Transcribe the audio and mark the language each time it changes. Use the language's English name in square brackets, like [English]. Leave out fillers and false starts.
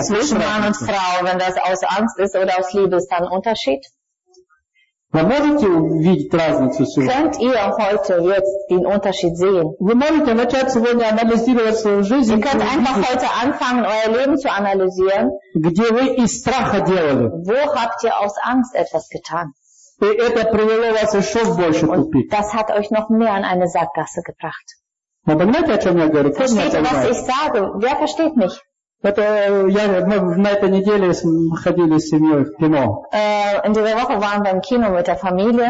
[German] Zwischen Mann und Frau, wenn das aus Angst ist oder aus Liebe, ist da ein Unterschied? [Russian] Вы можете увидеть разницу сегодня? [German] Könnt ihr heute jetzt den Unterschied sehen? [Russian] Вы можете начать сегодня анализировать свою жизнь? [German] Ihr könnt einfach heute anfangen, euer Leben zu analysieren. [Russian] Где вы из страха делали? [German] Wo habt ihr aus Angst etwas getan? [Russian] И это привело вас еще в больше тупик. [German] Das hat euch noch mehr in eine Sackgasse gebracht. [Russian] Вы понимаете, о чем я говорю? [German] Versteht ihr, was ich sage? Wer versteht mich? [Russian] Это я, мы на этой неделе ходили с семьей в кино. [German] In dieser Woche waren wir im Kino mit der Familie.